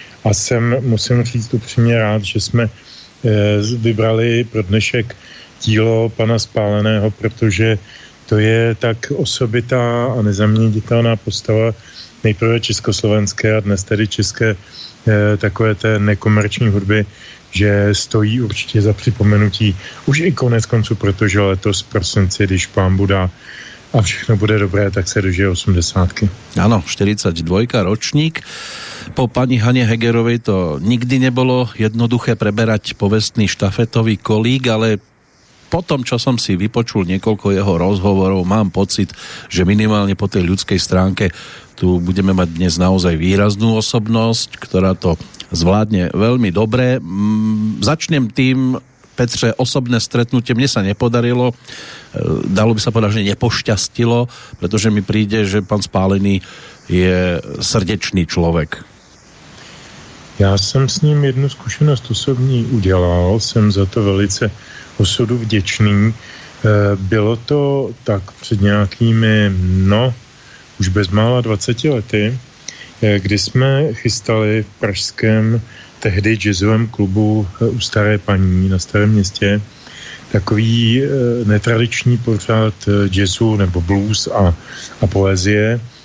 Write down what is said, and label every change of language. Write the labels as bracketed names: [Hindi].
[Czech] A jsem, musím říct upřímně rád, že jsme vybrali pro dnešek dílo pana Spáleného, protože to je tak osobitá a nezaměnitelná postava nejprve československé a dnes tedy české takové té nekomerční hudby, že stojí určitě za připomenutí už i konec konců, protože letos v prosinci, když pán bude a všechno bude dobré, tak se dožije 80. Ano, 42. ročník. [Slovak] Po paní Haně Hegerovej to nikdy nebylo jednoduché preberať povestný štafetový kolík, ale po tom, čo som si vypočul niekoľko jeho rozhovorov, mám pocit, že minimálne po tej ľudskej stránke tu budeme mať dnes naozaj výraznú osobnosť, ktorá to zvládne veľmi dobre. Začnem tým, Petre, osobné stretnutie mne sa nepodarilo. Dalo by sa povedať, že nepošťastilo, pretože mi príde, že pán Spálený je srdečný človek. Ja som s ním jednu skúsenosť osobní udelal. [Czech] Som za to velice osudu vděčný. Bylo to tak před nějakými, už bezmála 20 lety, kdy jsme chystali v pražském tehdy jazzovém klubu u Staré paní na Starém městě takový netradiční pořad jazzu nebo blues a poezie.